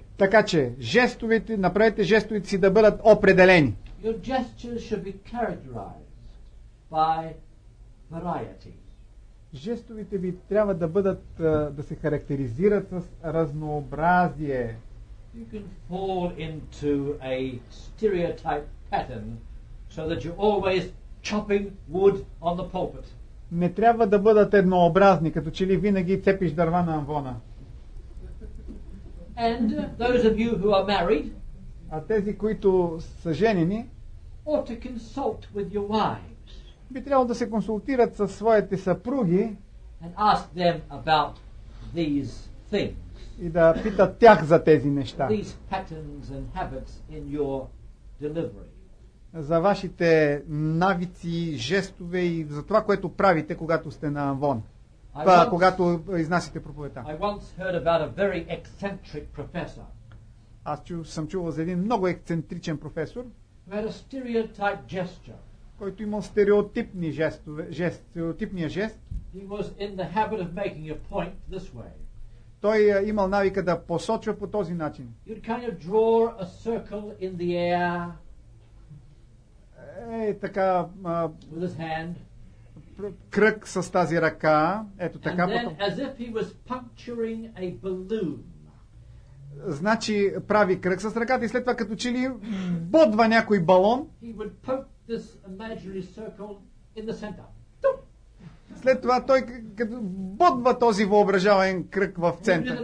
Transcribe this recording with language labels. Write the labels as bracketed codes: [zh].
[bg] Така че, жестовете, направете жестовете си да бъдат определени. [en] Your gestures should be characterized by variety. [bg] Жестовите ви трябва да бъдат да се характеризират с разнообразие. [en] You can fall into a stereotype pattern so that you're always chopping wood on the pulpit. [bg] Не трябва да бъдат еднообразни, като че ли винаги цепиш дърва на амвона. [en] And those of you who are married, [bg] а тези, които са женени, [en] ought to consult with your wife. [bg] Би трябвало да се консултират със своите съпруги [en] and ask them about these things. [bg] И да питат тях за тези неща. [en] These patterns and habits in your delivery. [bg] За вашите навици, жестове и за това, което правите, когато сте на амвон. Когато изнасите проповедта. [en] I once heard about a very eccentric professor. [bg] Аз съм чувал за един много ексцентричен професор, [en] who had a stereotype gesture. [bg] Който имал стереотипни стереотипния жест. [en] He was in the habit of making a point this way. [bg] Той имал навика да посочва по този начин. [en] You'd kind of draw a circle in the air. With his hand. [bg] Кръг с тази ръка. Ето [en] and [bg] така. [en] Then, as if he was puncturing a balloon. [bg] Значи прави кръг с ръката и след това като че ли бодва някой балон. [en] He would poke this imaginary circle in the center. [bg] След това той като бодва този въображаем кръг в център.